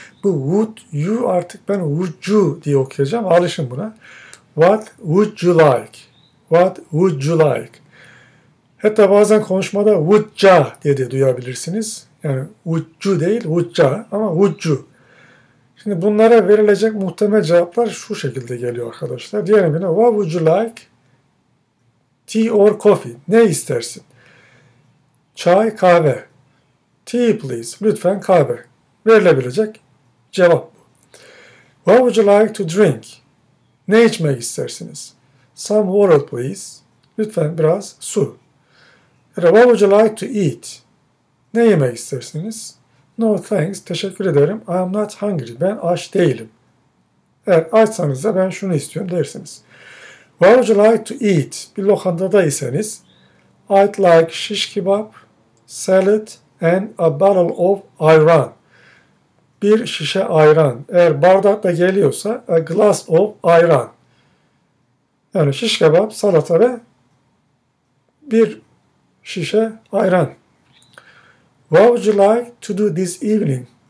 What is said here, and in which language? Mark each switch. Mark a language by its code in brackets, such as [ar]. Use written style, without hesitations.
[tr] Bu would you, artık ben would you diye okuyacağım. Alışın buna. [en] What would you like? What would you like? [tr] Hatta bazen konuşmada would ya diye de duyabilirsiniz. Yani would you değil, would ya, ama would you. Şimdi bunlara verilecek muhtemel cevaplar şu şekilde geliyor arkadaşlar. Diyelim yine [en] what would you like? Tea or coffee. [tr] Ne istersin? Çay, kahve. [en] Tea please. [tr] Lütfen kahve. Verilebilecek cevap bu. [en] What would you like to drink? [tr] Ne içmek istersiniz? [en] Some water please. [tr] Lütfen biraz su. [en] What would you like to eat? [tr] Ne yemek istersiniz? [en] No thanks. [tr] Teşekkür ederim. [en] I am not hungry. [tr] Ben aç değilim. Eğer açsanız da ben şunu istiyorum dersiniz. [en] What would you like to eat? [tr] Bir lokantada iseniz, [en] I'd like shish kebab, salad and a bottle of ayran. [tr] Bir şişe ayran. Eğer bardakta geliyorsa, a glass of ayran. Yani shish kebab, salata ve bir şişe ayran. [en] What would you like to do this evening?